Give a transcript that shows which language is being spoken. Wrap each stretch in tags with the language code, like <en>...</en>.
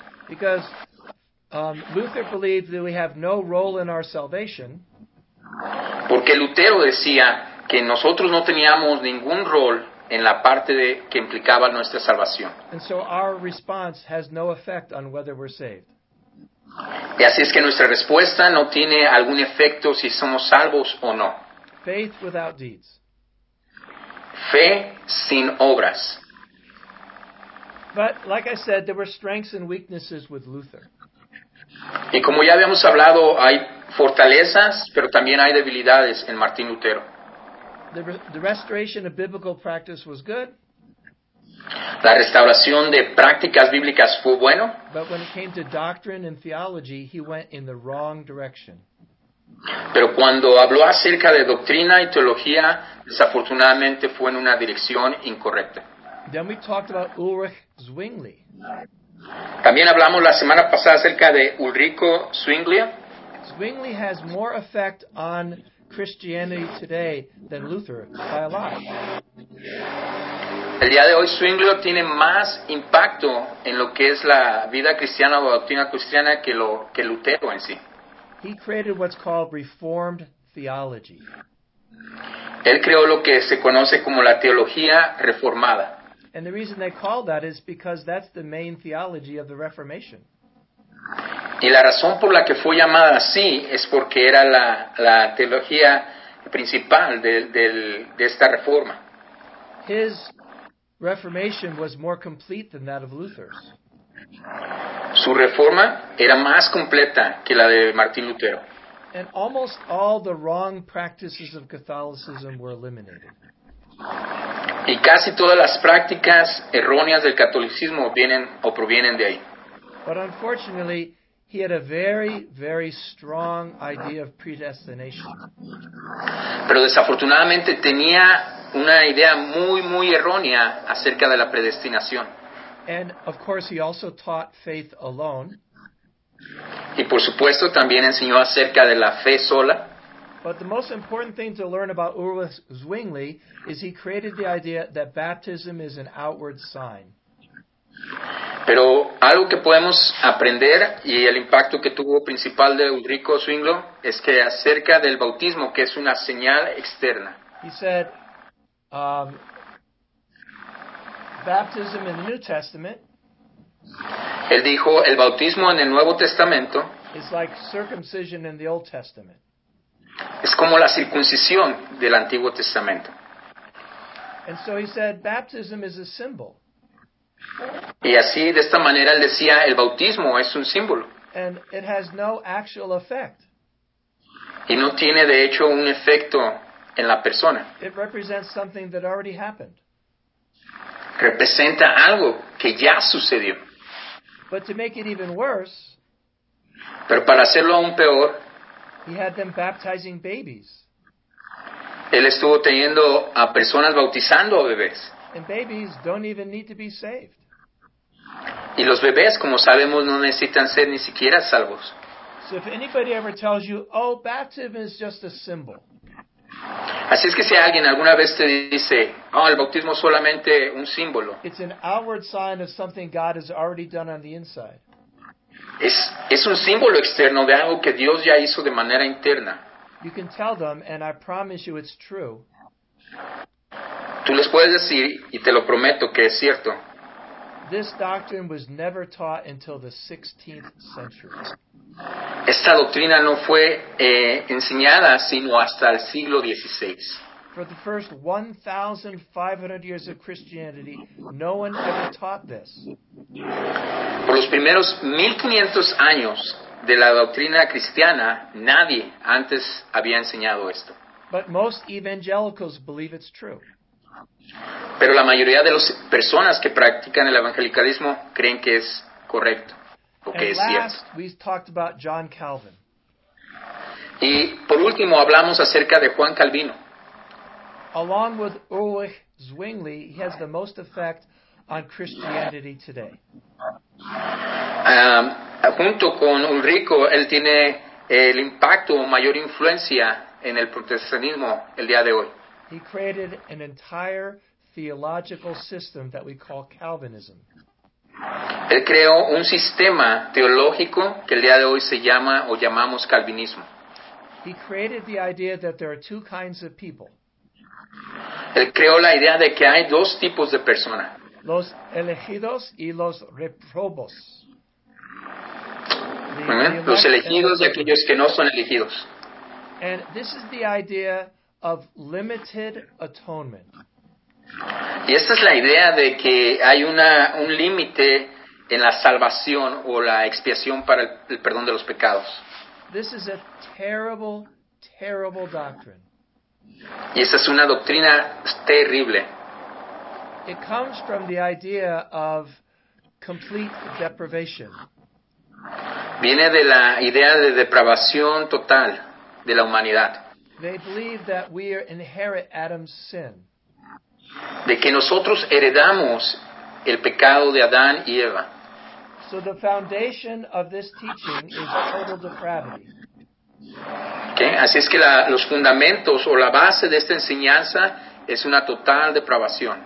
<en>Because Luther believed that we have no role in our salvation.</en> <es>Porque Lutero decía que nosotros no teníamos ningún rol en la parte de, que implicaba nuestra salvación.</es> <en>And so our response has no effect on whether we're saved.</en> <es>Y así es que nuestra respuesta no tiene algún efecto si somos salvos o no.</es> <en>Faith without deeds.</en> <es>Fe sin obras.</es> <en>But like I said, there were strengths and weaknesses with Luther.</en> <es>Y como ya habíamos hablado, hay fortalezas, pero también hay debilidades en Martín Lutero.</es> <en>The restoration of biblical practice was good.</en> <es>La restauración de prácticas bíblicas fue bueno.</es> <en>But when it came to doctrine and theology, he went in the wrong direction.</en> <es>Pero cuando habló acerca de doctrina y teología, desafortunadamente fue en una dirección incorrecta.</es> <en>Then we talked about Ulrich Zwingli.</en> <es>También hablamos la semana pasada acerca de Ulrico Zwingli.</es> <en>Zwingli has more effect on Christianity today than Luther by a lot.</en> <es>El día de hoy Zwingli tiene más impacto en lo que es la vida cristiana o la doctrina cristiana que Lutero en sí.</es> <en>He created what's called Reformed theology.</en> <es>Él creó lo que se conoce como la teología reformada.</es> <en>And the reason they call that is because that's the main theology of the Reformation.</en> <es>Y la razón por la que fue llamada así es porque era la teología principal de esta reforma.</es> <en>His Reformation was more complete than that of Luther's.</en> <es>Su reforma era más completa que la de Martín Lutero.</es> <en>And almost all the wrong practices of Catholicism were eliminated.</en> <es>Y casi todas las prácticas erróneas del catolicismo vienen o provienen de ahí.</es> <en>But unfortunately, he had a very, very strong idea of predestination.</en> <es>Pero desafortunadamente tenía una idea muy, muy errónea acerca de la predestinación.</es> <en>And of course, he also taught faith alone.</en> <es>Y por supuesto, también enseñó acerca de la fe sola.</es> <en>But the most important thing to learn about Ulrich Zwingli is he created the idea that baptism is an outward sign.</en> <es>Pero algo que podemos aprender y el impacto que tuvo principal de Ulrico Zwingli es que acerca del bautismo, que es una señal externa.</es> <en>He said, baptism in the New Testament.</en> <es>Él dijo, el bautismo en el Nuevo Testamento</es> <en>is like circumcision in the Old Testament.</en> <es>Es como la circuncisión del Antiguo Testamento.</es> <en>And so he said, baptism is a symbol.</en> <es>Y así, de esta manera, él decía, el bautismo es un símbolo.</es> <en>And it has no actual effect.</en> <es>Y no tiene, de hecho, un efecto en la persona.</es> <en>It represents something that already happened.</en> <es>Representa algo que ya sucedió.</es> <en>But to make it even worse,</en> <es>pero para hacerlo aún peor,</es> <en>he had them baptizing babies.</en> <es>Él estuvo teniendo a personas bautizando a bebés.</es> <en>And babies don't even need to be saved.</en> <es>Y los bebés, como sabemos, no necesitan ser ni siquiera salvos.</es> <en>So if anybody ever tells you, oh, baptism is just a symbol.</en> <es>Así es que si alguien alguna vez te dice, oh, el bautismo es solamente un símbolo.</es> <en>It's an outward sign of something God has already done on the inside.</en> <es>Es un símbolo externo de algo que Dios ya hizo de manera interna.</es> <en>You can tell them, and I promise you it's true.</en> <es>Tú les puedes decir, y te lo prometo, que es cierto.</es> <en>This doctrine was never taught until the 16th century.</en> <es>Esta doctrina no fue enseñada sino hasta el siglo XVI.</es> <en>For the first 1,500 years of Christianity, no one ever taught this.</en> <es>Por los primeros 1,500 años de la doctrina cristiana, nadie antes había enseñado esto.</es> <en>But most evangelicals believe it's true.</en> <es>Pero la mayoría de las personas que practican el evangelicalismo creen que es correcto, o que es cierto.</es> <en>And last, we talked about John Calvin.</en> <es>Y por último, hablamos acerca de Juan Calvino.</es> <en>Along with Ulrich Zwingli, he has the most effect on Christianity today.</en> <es>Junto con Ulrico, él tiene el impacto o mayor influencia en el protestantismo el día de hoy.</es> <en>He created an entire theological system that we call Calvinism.</en> <es>Él creó un sistema teológico que el día de hoy se llama o llamamos Calvinismo.</es> <en>He created the idea that there are two kinds of people.</en> <es>Él creó la idea de que hay dos tipos de personas. Los elegidos y los reprobos. Los elegidos y aquellos que no son elegidos.</es> <en>And this is the idea of limited atonement.</en> <es>Y esta es la idea de que hay un límite en la salvación o la expiación para el perdón de los pecados.</es> <en>This is a terrible, terrible doctrine.</en> <es>Y esa es una doctrina terrible.</es> <en>It comes from the idea of complete deprivation.</en> <es>Viene de la idea de depravación total de la humanidad.</es> <en>They believe that we inherit Adam's sin.</en> <es>de que nosotros heredamos el pecado de Adán y Eva.</es> <en>So the foundation of this teaching is total depravity.</en> <es>Okay, así es que los fundamentos o la base de esta enseñanza es una total depravación.</es>